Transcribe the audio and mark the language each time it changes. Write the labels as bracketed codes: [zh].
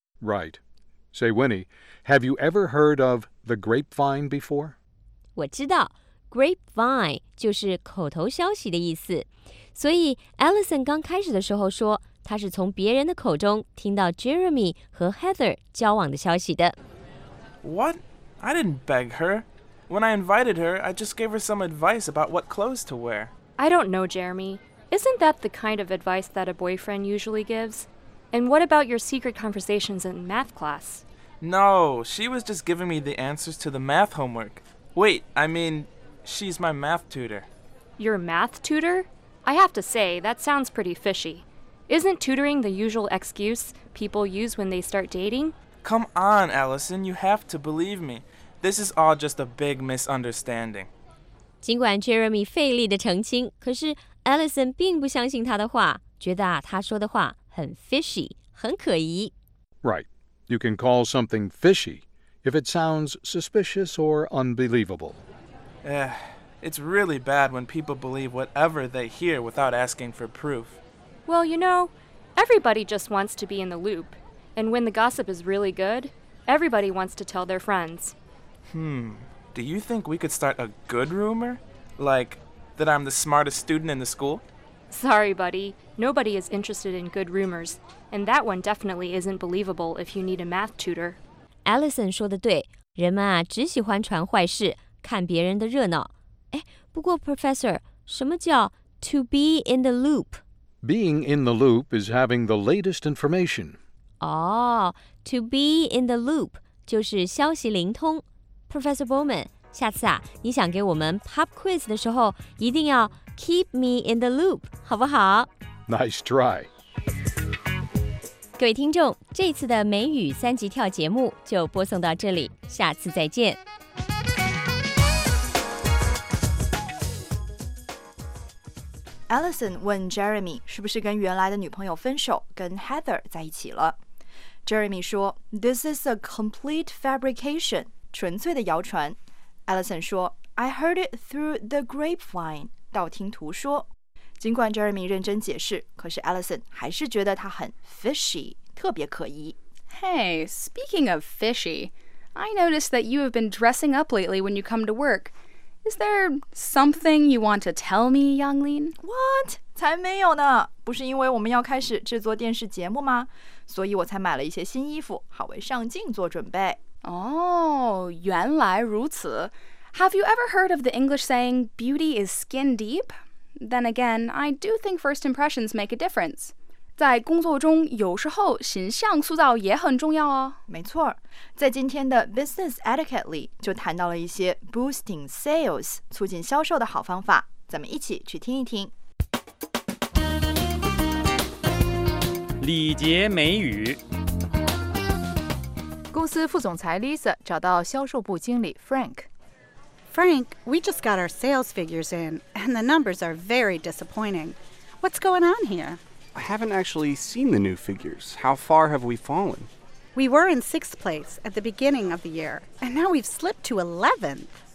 [en] ？Right. Say, Winnie, have you ever heard of the grapevine before? [zh] 我知道 grapevine 就是口头消息的意思，所以 Allison 刚开始的时候说。他是从别人的口中听到 Jeremy 和 Heather 交往的消息的。 [en] What? I didn't beg her. When I invited her, I just gave her some advice about what clothes to wear. I don't know, Jeremy. Isn't that the kind of advice that a boyfriend usually gives? And what about your secret conversations in math class? No, she was just giving me the answers to the math homework. Wait, I mean, she's my math tutor. Your math tutor? I have to say, that sounds pretty fishy. Isn't tutoring the usual excuse people use when they start dating? Come on, Allison, you have to believe me. This is all just a big misunderstanding. [zh] 尽管 Jeremy 费力地澄清，可是 Allison 并不相信他的话，觉得他说的话很 fishy, 很可疑。 [en] Right. You can call something fishy if it sounds suspicious or unbelievable. It's really bad when people believe whatever they hear without asking for proof. Well, you know, everybody just wants to be in the loop. And when the gossip is really good, everybody wants to tell their friends. Do you think we could start a good rumor? Like, that I'm the smartest student in the school? Sorry, buddy. Nobody is interested in good rumors. And that one definitely isn't believable if you need a math tutor. [zh] Allison 说的对，人们啊，只喜欢传坏事，看别人的热闹。哎，不过 Professor, 什么叫 to be in the loop? [en] Being in the loop is having the latest information. To be in the loop [zh] 就是消息灵通。 Professor Bowman, 下次啊，你想给我们 pop quiz 的时候，一定要 [en] keep me in the loop, [zh] 好不好？ [en] Nice try. [zh] 各位听众，这次的美语三级跳节目就播送到这里，下次再见。 Allison 问 Jeremy 是不是跟原来的女朋友分手，跟 Heather 在一起了。 Jeremy 说 , [en] This is a complete fabrication, [zh] 纯粹的谣传。 Allison 说 , [en] I heard it through the grapevine, [zh] 道听途说。尽管 Jeremy 认真解释，可是 Allison 还是觉得他很 fishy, 特别可疑。 [en] Hey, speaking of fishy, I noticed that you have been dressing up lately when you come to work. Is there something you want to tell me, Yanglin? [zh] What? 才没有呢！不是因为我们要开始制作电视节目吗？所以我才买了一些新衣服，好为上镜做准备。原来如此。 [en] Have you ever heard of the English saying, beauty is skin deep? Then again, I do think first impressions make a difference. [zh] 在工作中有时候形象塑造也很重要哦。没错，在今天的 Business Etiquette 里就谈到了一些 Boosting Sales 促进销售的好方法，咱们一起去听一听。礼节美语。公司副总裁 Lisa 找到销售部经理 Frank。 [en] Frank, we just got our sales figures in and the numbers are very disappointing. What's going on here? I haven't actually seen the new figures. How far have we fallen? We were in sixth place at the beginning of the year, and now we've slipped to 11th.